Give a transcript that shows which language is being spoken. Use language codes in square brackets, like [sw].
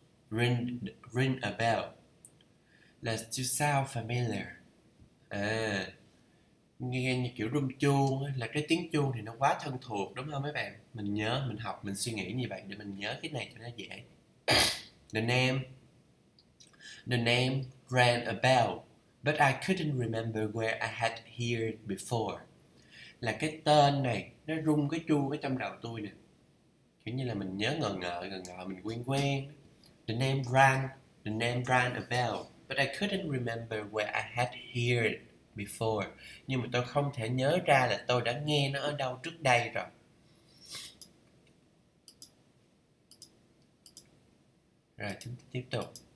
[en] Ring a bell. Là to sound familiar. [vi] À, nghe như kiểu rung chuông, là cái tiếng chuông thì nó quá thân thuộc, đúng không mấy bạn? Mình nhớ, mình học, mình suy nghĩ như vậy để mình nhớ cái này cho nó dễ. [en] The name rang a bell, but I couldn't remember where I had heard before. [vi] Là cái tên này, nó rung cái chuông ở trong đầu tôi nè. Kiểu như là mình nhớ ngờ ngờ, mình quen quen. [en] The name rang a bell, but I couldn't remember where I had heard before. [vi] Nhưng mà tôi không thể nhớ ra là tôi đã nghe nó ở đâu trước đây rồi. Rồi, chúng ta tiếp tục.